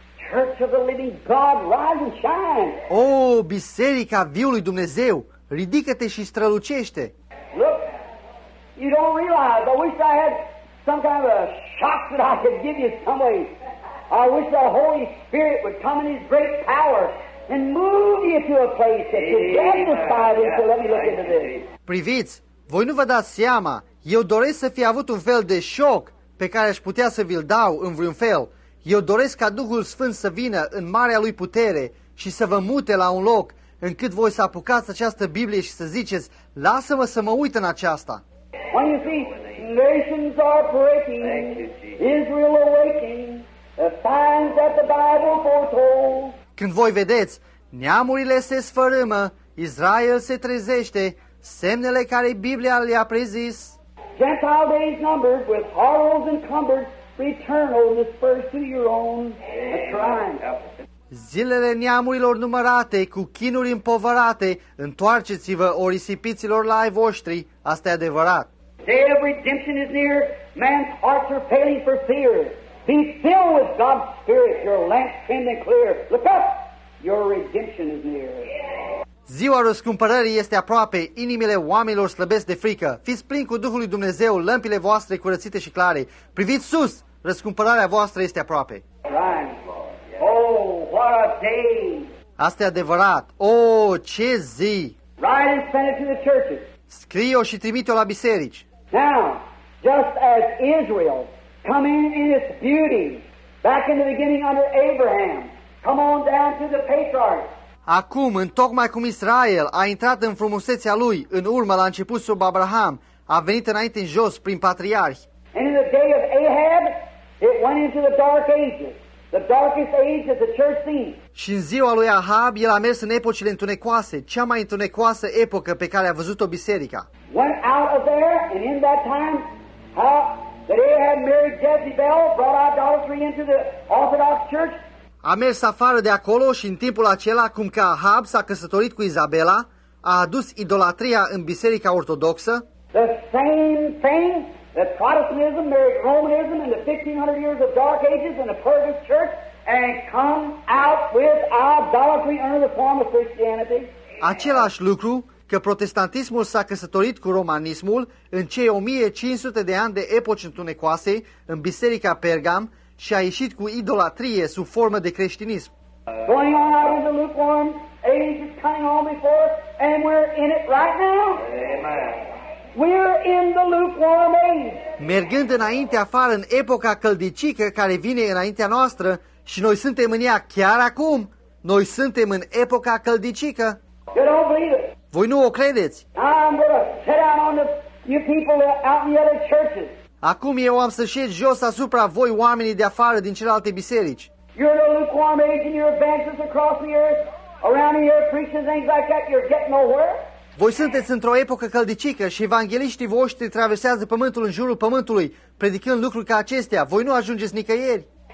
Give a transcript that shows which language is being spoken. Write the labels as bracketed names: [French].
[English] Church of the living God, rise and shine. [Romanian] Oh, biserica viului Dumnezeu, ridică-te și strălucește. [English] Look, you don't realize, I wish I had some kind of a shock that I could give you some way. I wish the Holy Spirit would come in His great power and move you to a place that you're satisfied in, so let me look into this. [Romanian] Priviți, voi nu vă dați seama, eu doresc să fi avut un fel de șoc pe care aș putea să vi-l dau în vreun fel. Eu doresc ca Duhul Sfânt să vină în marea Lui putere și să vă mute la un loc încât voi să apucați această Biblie și să ziceți, lasă-mă să mă uit în aceasta. [English] When you see, nations are breaking, Israel awaking, the signs that the Bible foretold. [Romanian] Când voi vedeți, neamurile se sfărâmă, Israel se trezește, semnele care Biblia le-a prezis. [English] Gentile days numbered with horrors encumbered. Return on this first to your own shrine. [Romanian] Zilele neamurilor numărate, cu chinuri împovărate, întoarceți-vă, o risipiților, la ai voștri, asta e adevărat. [English] Day of redemption is near, man's hearts are failing for fear. Be filled with God's Spirit, your lamp trending clear. Look up, your redemption is near. [Romanian] Ziua răscumpărării este aproape, inimile oamenilor slăbesc de frică. Fiți plini cu Duhul lui Dumnezeu, lămpile voastre curățite și clare. Priviți sus, răscumpărarea voastră este aproape. [English] Oh, what a day! [Romanian] Asta e adevărat. Oh, ce zi! [English] Write and send it to the churches. [Romanian] Scrie-o și trimite-o la biserici. [English] Now, just as Israel coming in its beauty back in the beginning under Abraham, come on down to the patriarchs. [Romanian] Acum, întocmai cum Israel a intrat în frumusețea lui, în urmă la început sub Abraham, a venit înainte în jos prin patriarhi. [English] And in the day of Ahab, it went into the dark ages. The darkest age that the church sees. [Romanian] Și în ziua lui Ahab, el a mers în epocile întunecoase, cea mai întunecoasă epocă pe care a văzut-o biserica. [English] Went out of there, and in that time, how that Ahab married Jezebel, brought idolatry into the Orthodox church. [Romanian] A mers afară de acolo și în timpul acela, cum că Ahab s-a căsătorit cu Izabela, a adus idolatria în biserica ortodoxă. [English] The same thing that Protestantism married Romanism in the 1500 years of dark ages in the Purvis church and come out with idolatry under the form of Christianity. [Romanian] Același lucru că protestantismul s-a căsătorit cu romanismul în cei 1500 de ani de epoci întunecoase în biserica Pergam și a ieșit cu idolatrie sub formă de creștinism. [English] Going on out in the lukewarm age is coming on before us and we're in it right now. Amen. We're in the lukewarm age. [Romanian] Mergând înainte afară în epoca căldicică care vine înaintea noastră și noi suntem în ea chiar acum. Noi suntem în epoca căldicică. [English] You don't believe it. [Romanian] Voi nu o credeți. [English] I'm gonna sit out on the, you people out in the other churches. [Romanian] Acum eu am să șed jos asupra voi oamenii de afară din celelalte biserici. [English] You're in a lukewarm age and your advances across the earth, around the earth, preaching things like that, you're getting nowhere. [Romanian] Voi sunteți într-o epocă căldicică și evangheliștii voștri traversează pământul în jurul pământului, predicând lucruri ca acestea. Voi nu ajungeți nicăieri.